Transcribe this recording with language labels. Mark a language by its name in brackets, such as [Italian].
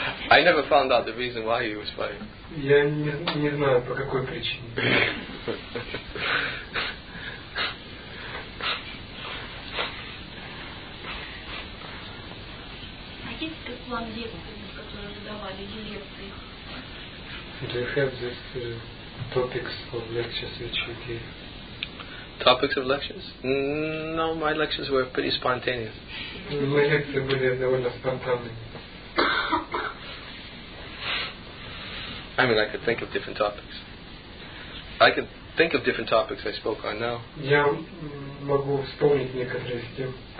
[English] I never found out the reason why he was fired. [Russian] Я не знаю по какой причине. [English] Do you have these topics of lectures which you gave? Topics of lectures? No, my lectures were pretty spontaneous. My lectures were [Russian] довольно спонтанные. [English] I mean, I could think of different topics. I could think of different topics I spoke on now. [Russian] Я могу вспомнить некоторые из тем.